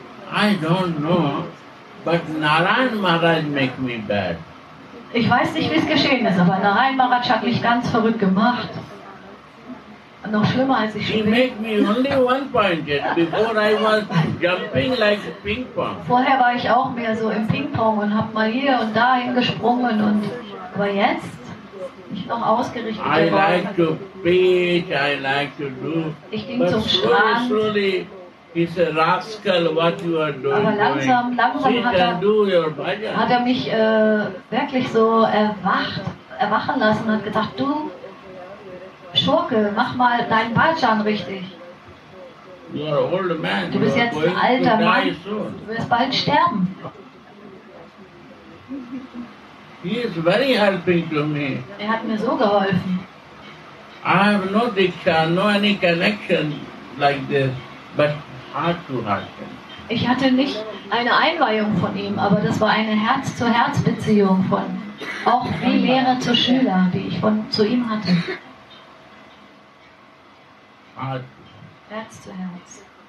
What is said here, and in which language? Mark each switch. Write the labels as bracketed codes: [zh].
[en] I don't know, but Narayan Maharaj make me bad. [de] Ich weiß nicht, wie es geschehen ist, aber Narayan Maharaj hat mich ganz verrückt gemacht. Noch schlimmer als ich [en] schon. He made me only one-pointed. Before I was jumping like ping-pong. [de] Vorher war ich auch mehr so im Ping-pong und hab mal hier und da hingesprungen und aber jetzt. Noch ausgerichtet [en] I geworden. Like to beach, I like to do. [de] Ich ging but zum Strand. [en] Slowly, he's a rascal, what you are doing. [de] Aber langsam hat er mich wirklich so erwachen lassen und hat gedacht, du Schurke, mach mal deinen Bhajan richtig. [en] You are old man. [de] Du bist jetzt ein alter Mann. Du wirst bald sterben. [en] He is very helping to me. [de] Er hat mir so geholfen. [en] I have no diksha, no any connection like this, but heart to heart. [de] Ich hatte nicht eine Einweihung von ihm, aber das war eine Herz-zu-Herz-Beziehung von auch wie Lehrer zu Schüler, die ich von zu ihm hatte. Herz-zu-Herz.